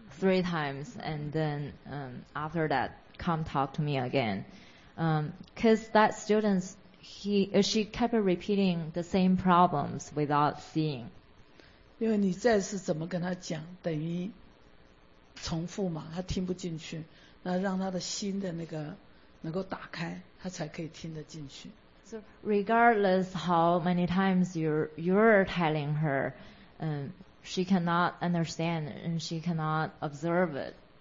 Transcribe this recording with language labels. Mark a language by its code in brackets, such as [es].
[en] Three times, and then after that, come talk to me again. Because that student, she kept repeating the same problems without seeing. [zh] 因为你再次怎么跟他讲，等于重复嘛，他听不进去。那让他的心的那个能够打开，他才可以听得进去。 [en] So regardless how many times you're telling her, she cannot understand and she cannot observe it.